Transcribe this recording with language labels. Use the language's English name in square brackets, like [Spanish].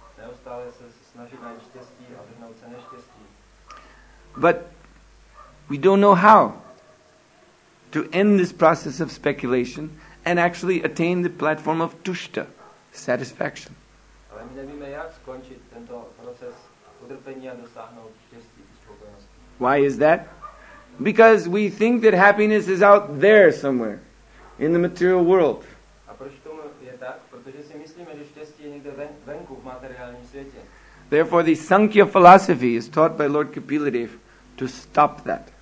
[Czech] Neustále se snažit najít štěstí a vyhnout se neštěstí. [English] But we don't know how to end this process of speculation and actually attain the platform of tushta, satisfaction. [Czech] Ale my nevíme, jak skončit tento proces utrpení a dosáhnout štěstí, spokojenosti. [English] Why is that? Because we think that happiness is out there somewhere in the material world. [Czech] A proč to je tak? Protože si myslíme, že štěstí je někde venku v materiálním světě. [English] Therefore, the Sankhya philosophy is taught by Lord Kapiladev to stop that.